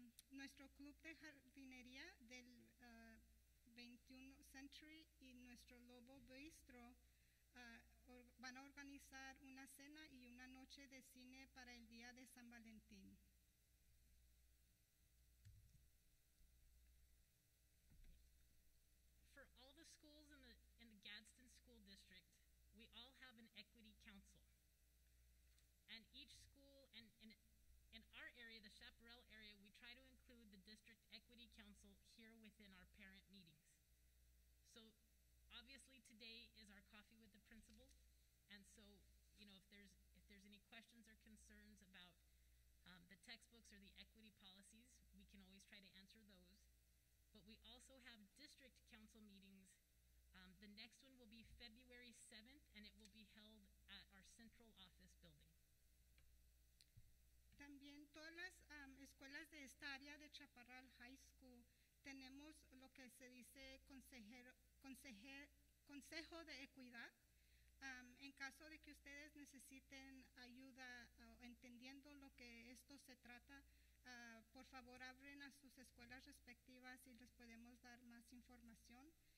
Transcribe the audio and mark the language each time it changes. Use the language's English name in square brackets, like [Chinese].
[Spanish] Nuestro club de jardinería del 21 Century y nuestro Lobo Bistro van a organizar una cena y una noche de cine para el día de San Valentín. [English] For all the schools in the Gadsden School District, we all have an equity council. And each school, and in our area, the Chaparral area, we try to include the district equity council here within our parent meetings. So obviously today is our coffee with the principal. And so, you know, if there's any questions or concerns about the textbooks or the equity policies, we can always try to answer those. But we also have district council meetings. The next one will be February 7th, and it will be held at our central office building. [Spanish] También todas las escuelas de esta área de Chaparral High School tenemos lo que se dice consejo de equidad. En caso de que ustedes necesiten ayuda entendiendo lo que esto se trata, por favor abren a sus escuelas respectivas y les podemos dar más información.